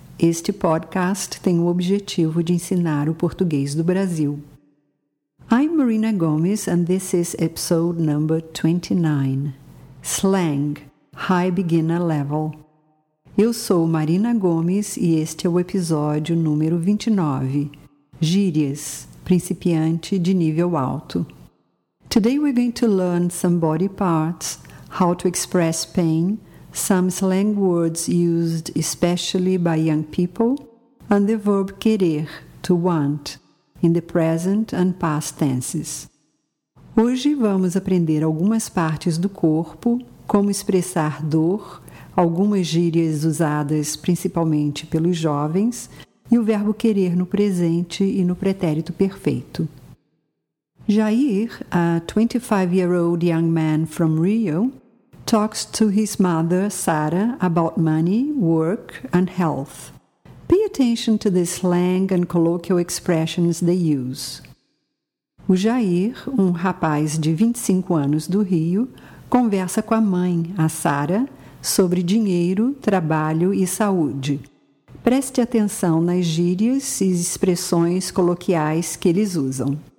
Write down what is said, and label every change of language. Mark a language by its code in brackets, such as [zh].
[pt] Este podcast tem o objetivo de ensinar o português do Brasil. [en] I'm Marina Gomes and this is episode number 29. Slang, High Beginner Level. [pt] Eu sou Marina Gomes e este é o episódio número 29. Gírias, principiante de nível alto. [en] Today we're going to learn some body parts, how to express pain, some slang words used especially by young people, and the verb querer, to want, in the present and past tenses. [pt] Hoje vamos aprender algumas partes do corpo, como expressar dor, algumas gírias usadas principalmente pelos jovens, e o verbo querer no presente e no pretérito perfeito. [en] Jair, a 25-year-old young man from Rio, talks to his mother, Sara, about money, work, and health. Pay attention to the slang and colloquial expressions they use. [pt] O Jair, um rapaz de 25 anos do Rio, conversa com a mãe, a Sara, sobre dinheiro, trabalho e saúde. Preste atenção nas gírias e expressões coloquiais que eles usam.